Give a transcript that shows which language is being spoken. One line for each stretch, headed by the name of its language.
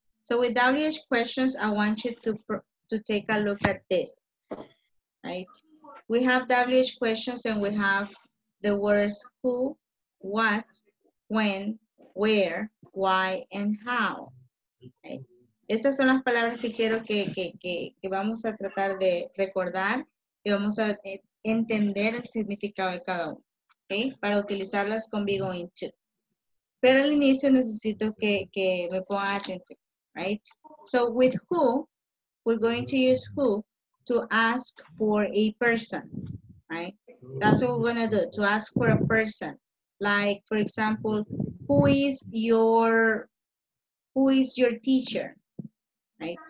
English: So with WH questions, I want you to take a look at this, right? We have WH questions and we have the words who, what, when, where, why, and how. Okay.
Spanish: Estas son las palabras que quiero que vamos a tratar de recordar y vamos a entender el significado de cada uno. Okay? Para utilizarlas con be going to. Pero al inicio necesito que me ponga atención.
English: Right? So with who, we're going to use who to ask for a person. Right? That's what we're going to do, to ask for a person. Like, for example, who is your teacher? Right?